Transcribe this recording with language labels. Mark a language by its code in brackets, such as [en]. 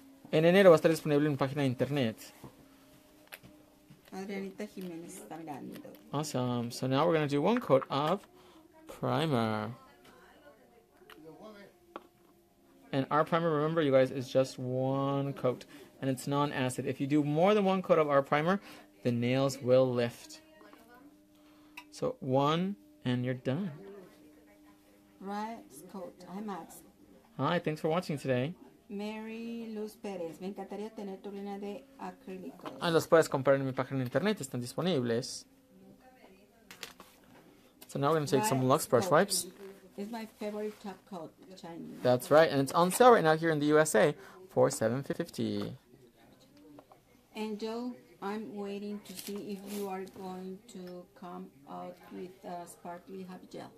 [es] En enero va a estar disponible en página de internet. Adrianita Jiménez está hablando. [en] Awesome. So now we're going to do one coat of primer. And our primer, remember, you guys, is just one coat. And it's non-acid. If you do more than one coat of our primer, the nails will lift. So one, and you're done. Right, coat. Hi, Max. Hi, thanks for watching today. [es] Mary Luz Pérez, me encantaría tener tu línea de acrílicos. Ah, los puedes comprar en mi página de internet, están disponibles. [en] So now we're going to take some Luxe Brush Wipes. It's my favorite top coat, Chinese. That's right, and it's on sale right now here in the USA for $7.50. Angel, I'm waiting to see if you are going to come out with a sparkly happy gel.